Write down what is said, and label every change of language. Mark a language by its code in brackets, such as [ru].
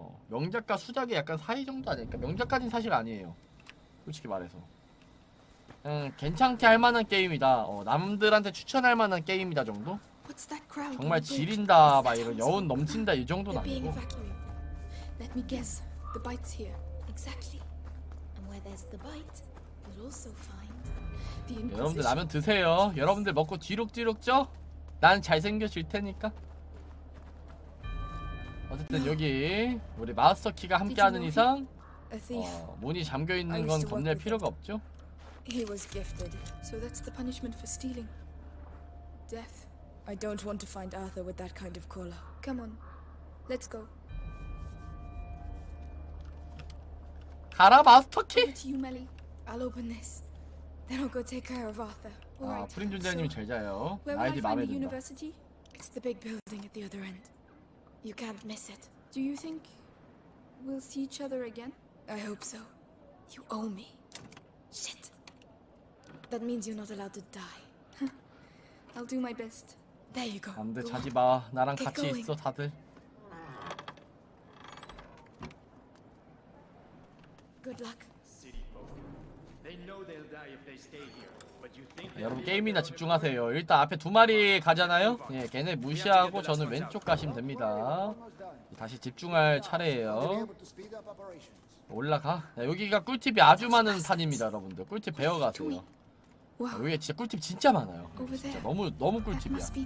[ko] 명작과 수작이 약간 사이 정도 아닐까? 명작까지는 사실 아니에요. 솔직히 말해서. 괜찮게 할 만한 게임이다. 남들한테 추천할 만한 게임이다 정도? 정말 지린다 막 이런 여운 넘친다 이 정도는 아니고. [en] Let me guess. The bite's here. Exactly. And where there's the bite, we'll also find the Inquisition. [ko] 여러분들 라면 드세요. 여러분들 먹고 뒤룩뒤룩 쪄? 난 잘생겨질 테니까. 어쨌든 여기 우리 마스터 키가 함께하는 이상 문이 잠겨 있는 건 겁낼 필요가 없죠. [en] He was gifted. So that's the punishment for stealing. Death. I don't want to find Arthur with that kind of collar. Come on. Let's go. [ko] 가라 마스터키. [en] I'll open this. Then I'll go take care of Arthur. [ko] 프린 존재님 잘 자요. 아이디 마음에 든다. [en] It's the big building at the other end. You can't miss it. Do you think we'll see each other again? I hope so. You owe me. Shit. That means you're not allowed to die. I'll do my best. There you go. [ko] 안 돼, 자지 마. 나랑 같이 있어, 다들. [en] Good luck. They know they'll die if they stay here. [ko] 여러분 게임이나 집중하세요. 일단 앞에 두 마리 가잖아요. 예, 걔네 무시하고 저는 왼쪽 가시면 됩니다. 다시 집중할 차례예요. 올라가. 여기가 꿀팁이 아주 많은 산입니다, 여러분들. 꿀팁 배워가세요. 여기 진짜 꿀팁 진짜 많아요. 진짜 너무 너무 꿀팁이야.